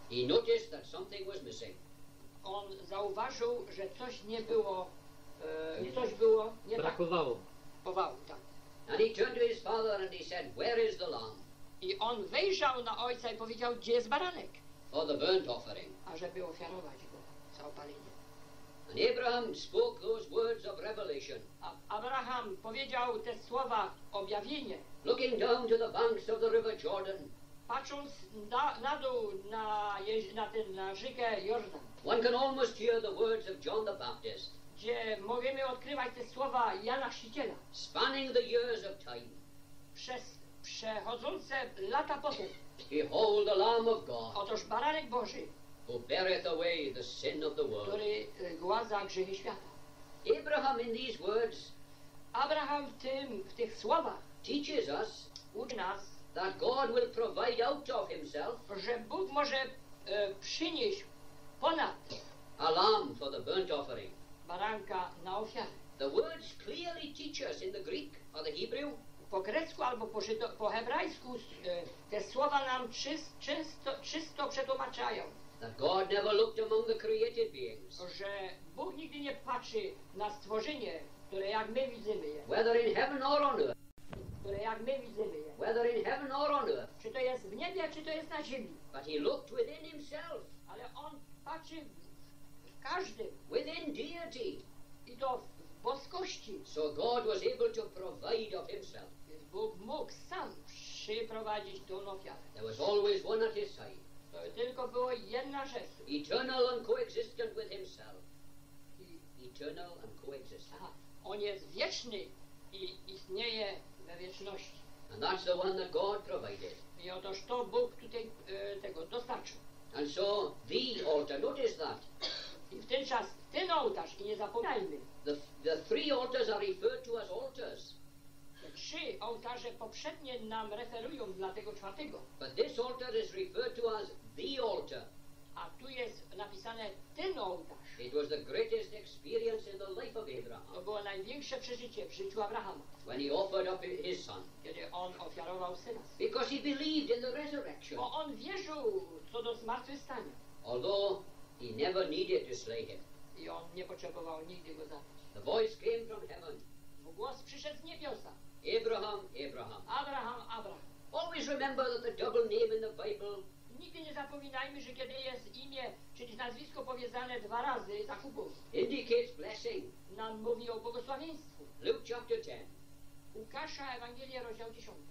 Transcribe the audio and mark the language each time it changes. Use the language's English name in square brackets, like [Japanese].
[English] He noticed that something was missing. [Polish] On zauważył, że coś nie było. Coś było nie brakowało. Tak. Powało, tak. [English] And he turned to his father and he said, where is the lamb? [Polish] I on wejrzał na ojca i powiedział, gdzie jest baranek? [English] For the burnt offering. [Polish] A żeby ofiarować go za opalenie. [English] And Abraham spoke those words of revelation. [Polish] A Abraham powiedział te słowa objawienie. [English] Looking down to the banks of the river Jordan. [Polish] Patrząc na dół na rzekę Jordan. [English] One can almost hear the words of John the Baptist. [Polish] Gdzie możemy odkrywać te słowa Jana Chrzciciela. [English] Spanning the years of time. [Polish] Przez przechodzące lata potem. [English] Behold the Lamb of God. [Polish] Otoż Baranek Boży. [English] Who beareth away the sin of the world. [Polish] Który gładza grzechy świata. [English] Abraham in these words. [Polish] Abraham w tych słowach. [English] Teaches us. [Polish] Uczy nas. [English] That God will provide out of himself. [Polish] Że Bóg może przynieść ponad. [English] A lamb for the burnt offering. [Polish] Baranka na ofiarę. [English] The words clearly teach us in the Greek or the Hebrew. [Polish] Po grecku albo po hebrajsku te słowa nam czysto przetłumaczają. [English] That God never looked among the created beings. [Polish] Że Bóg nigdy nie patrzy na stworzenie, które jak my widzimy je. [English] Whether in heaven or on earth. [Polish] Które jak my widzimy je. [English] Whether in heaven or on earth. [Polish] Czy to jest w niebie, czy to jest na ziemi. [English] But he looked within himself. [Polish] Ale on patrzy. Każdy. [English] Within deity. [Polish] I to w boskości. [English] So God was able to provide of himself. [Polish] Więc Bóg mógł sam przyprowadzić do ofiary. [English] There was always one at his side. [Polish] To tylko była jedna rzecz. [English] Eternal and coexistent with himself. Eternal and coexistent. Aha. [Polish] On jest wieczny i istnieje we wieczności. [English] And that's the one that God provided. [Polish] I otoż to Bóg tutaj tego dostarczył. [English] And so the altar, notice that. [Polish] I w ten czas ten ołtarz, i nie zapominajmy. [English] The three altars are referred to as altars. [Polish] Te Trzy ołtarze poprzednie nam referują dla tego czwartego. [English] But this altar is referred to as the altar. [Polish] A tu jest napisane ten ołtarz. [English] It was the greatest experience in the life of Abraham. [Polish] To było największe przeżycie w życiu Abrahama. [English] When he offered up his son. [Polish] Kiedy on ofiarował syna. [English] Because he believed in the resurrection. [Polish] Bo on wierzył co do zmartwychwstania. [English] Although he never needed to slay him. [Polish] I on nie potrzebował nigdy go zabić. [English] The voice came from heaven. [Polish] Bo głos przyszedł z niebiosa. [English] Abraham, Abraham. [Polish] Abraham, Abraham. [English] Always remember that the double name in the Bible. [Polish] Nigdy nie zapominajmy, że kiedy jest imię, czyli nazwisko powiedziane dwa razy, Jakubów. [English] Indicates blessing. [Polish] Nam mówi o błogosławieństwu. [English] Luke chapter 10. [Polish] Łukasza, Ewangelia, rozdział 10.